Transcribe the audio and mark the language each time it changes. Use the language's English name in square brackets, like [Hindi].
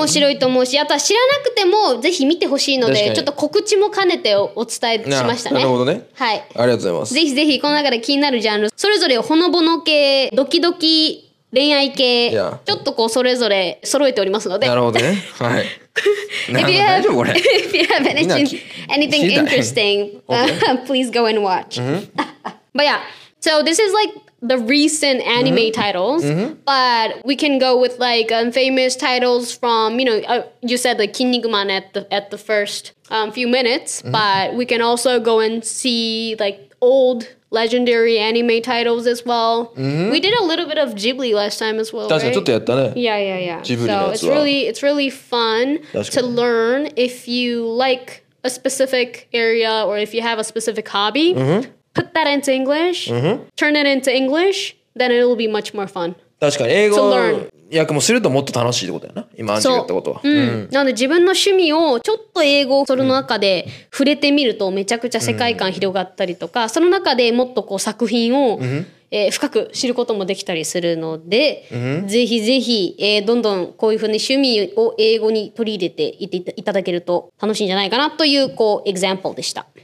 [Japanese] 面白いと思うし、あとは知らなくてもぜひ見てほしいので、ちょっと告知も兼ねてお伝えしましたね。なるほどね。はい。ありがとうございます。ぜひぜひこの中で気になるジャンル、それぞれほのぼの系、ドキドキ恋愛系、ちょっとこうそれぞれ揃えておりますので。なるほどね。はい。 [English] If you have, if you have anything interesting, please go and watch. But yeah, so this is like. The recent anime mm-hmm. titles, mm-hmm. but we can go with like famous titles from, you know, you said like Kin Nigman at the first few minutes, mm-hmm. but we can also go and see like old legendary anime titles as well. Mm-hmm. We did a little bit of Ghibli last time as well, right? Yeah, yeah, yeah. Ghibli so it's really fun to learn if you like a specific area or if you have a specific hobby. Mm-hmm. Put that into English,、 mm-hmm. turn it into English, then it will be much more fun. [Japanese] 確かに英語を訳もするともっと楽しいってことやな。今アンジュが言ったことは。うん。なので自分の趣味をちょっと英語をそれの中で触れてみるとめちゃくちゃ世界観広がったりとか、その中でもっとこう作品を、深く知ることもできたりするので、ぜひぜひ、どんどんこういうふうに趣味を英語に取り入れていただけると楽しいんじゃないかなというこう example でした。